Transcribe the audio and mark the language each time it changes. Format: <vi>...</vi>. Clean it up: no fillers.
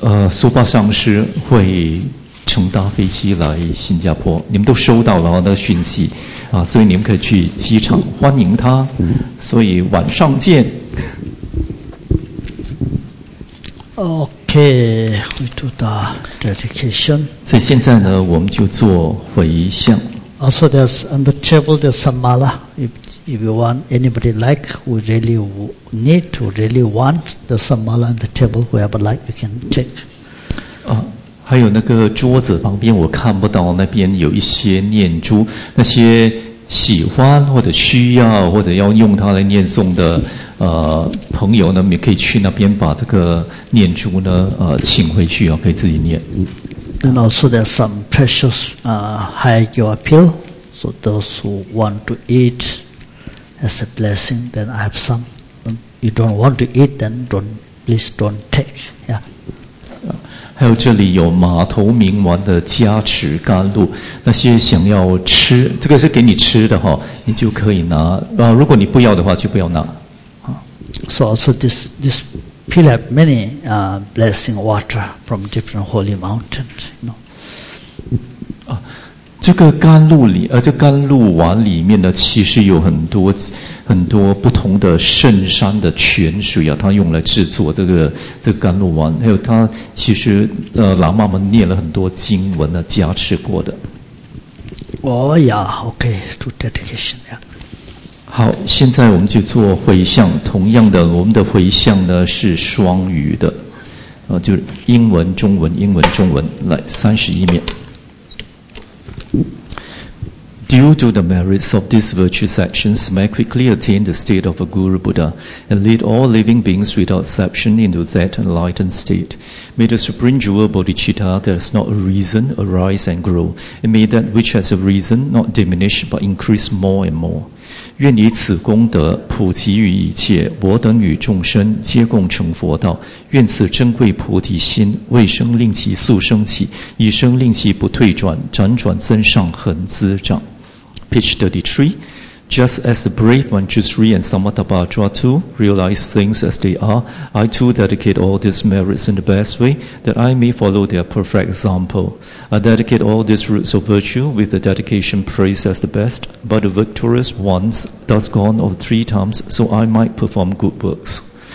<zh>苏巴上师会乘搭飞机来新加坡，你们都收到了那讯息啊，所以你们可以去机场欢迎他，所以晚上见。</zh> <en>Okay, we do the dedication.</en> <zh>所以现在呢，我们就做回向。</zh> <en>Also, there's on the table there's some mala. If you want anybody like, we really need, we really want, there's some mala on the table. Whoever like, you can take.</en> <zh>还有那个桌子旁边，我看不到那边有一些念珠，那些。喜欢或者需要或者要用它来念诵的朋友呢，你可以去那边把这个念珠呢请回去啊，可以自己念。</zh> <en>And also there's some precious high your pill, so those who want to eat as a blessing, then I have some. You don't want to eat, then don't please don't take. Yeah.</en> <zh>还有这里有马头明丸的加持甘露，那些想要吃，这个是给你吃的哈，你就可以拿。如果你不要的话，就不要拿。</zh> <en>So also this pill have many blessing water from different holy mountains. You know.</en> <zh>这个甘露里，这甘露丸里面呢，其实有很多很多不同的圣山的泉水啊，它用来制作这个甘露丸，还有它其实喇嘛们念了很多经文呢，加持过的。</zh> <en>Oh yeah, okay, to dedication, yeah.</en> <zh>好，现在我们就做回向。同样的，我们的回向呢是双语的，就是英文、中文、英文、中文。来，31面。</zh> <en>Due to the merits of these virtuous actions, may quickly attain the state of a Guru Buddha and lead all living beings without exception into that enlightened state. May the supreme jewel Bodhicitta that has not arisen arise and grow, and may that which has arisen not diminish but increase more and more.</en> <zh>愿以此功德普及于一切，我等与众生皆共成佛道。愿此珍贵菩提心，未生令其速生起，已生令其不退转，辗转增上恒滋长。</zh> <en>Page 33. Just as the brave Manjushri and Samatabha draw to realize things as they are, I too dedicate all these merits in the best way that I may follow their perfect example. I dedicate all these roots of virtue with the dedication praised as the best, but the victorious ones thus gone of three times so I might perform good works.</en>